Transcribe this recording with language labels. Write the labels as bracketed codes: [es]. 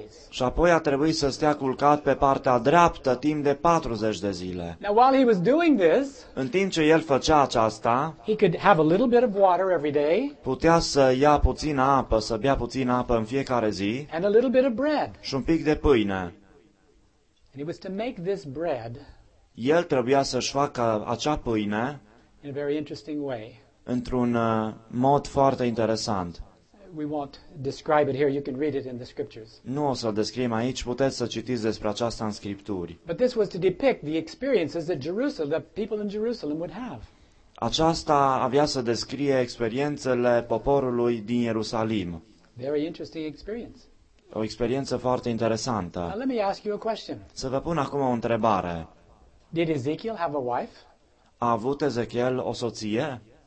[ro] Și apoi a trebuit să stea culcat pe partea dreaptă timp de 40 de zile. [en] Now, while he was doing this, [ro] în timp ce el făcea aceasta, [en] he could have a little bit of water every day, [ro] putea să ia puțină apă, să bea puțină apă în fiecare zi, [en] and a little bit of bread. [ro] Și un pic de pâine. [en] And he was to make this bread. [ro] El trebuia să-și facă acea pâine [en] in a very interesting way. [ro] Într-un mod foarte interesant. [en] We won't describe it here. You can read it in the scriptures. [ro] Nu o să-l descriem aici, puteți să citiți despre aceasta în scripturi. [en] But this was to depict the experiences that Jerusalem, the people in Jerusalem would have. [ro] Aceasta avea să descrie experiențele poporului din Ierusalim. [en] Very interesting experience. [ro] O experiență foarte interesantă. [en] Now, let me ask you a question. [ro] Să vă pun acum o întrebare. [en] Did Ezekiel have a wife? [ro] A avut Ezechiel o soție?